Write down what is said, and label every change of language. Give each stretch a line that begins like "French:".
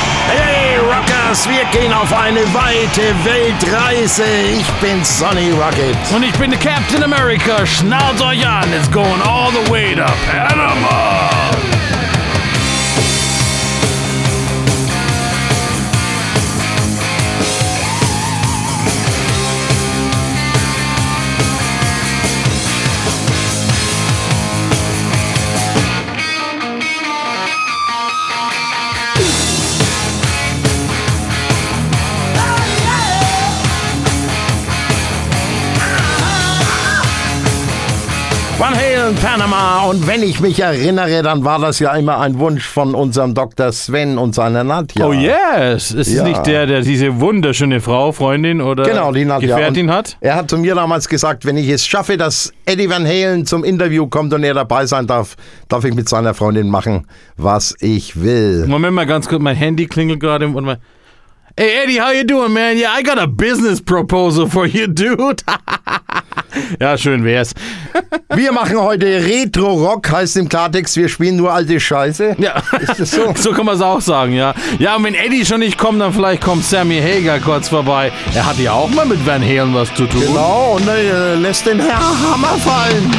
German: Hey Rockers, wir gehen auf eine weite Weltreise. Ich bin Sonny Rocket. Und ich bin Captain America. Schnallt euch an,
English: it's going all the way to Panama.
German: Van Halen, Panama. Und wenn ich mich erinnere, dann war das ja immer ein Wunsch von unserem Dr. Sven und seiner Nadja.
English: Oh yes,
German: ist es nicht der diese wunderschöne Frau, Freundin oder genau, die Nadja. Gefährtin und hat? Er hat zu mir damals gesagt, wenn ich es schaffe, dass Eddie Van Halen zum Interview kommt und er dabei sein darf, darf ich mit seiner Freundin machen, was ich will. Moment mal ganz kurz, mein Handy klingelt gerade.
English: Hey Eddie, how you doing, man? Yeah, I got a business proposal for you, dude.
German: Ja, schön wär's. Wir machen heute Retro-Rock, heißt im Klartext, wir spielen nur alte Scheiße. Ja, ist das so? So kann man es auch sagen, ja. Ja, und wenn Eddie schon nicht kommt, dann vielleicht kommt Sammy Hagar kurz vorbei. Er hat ja auch mal mit Van Halen was zu tun. Genau, und er lässt den Herr Hammer fallen.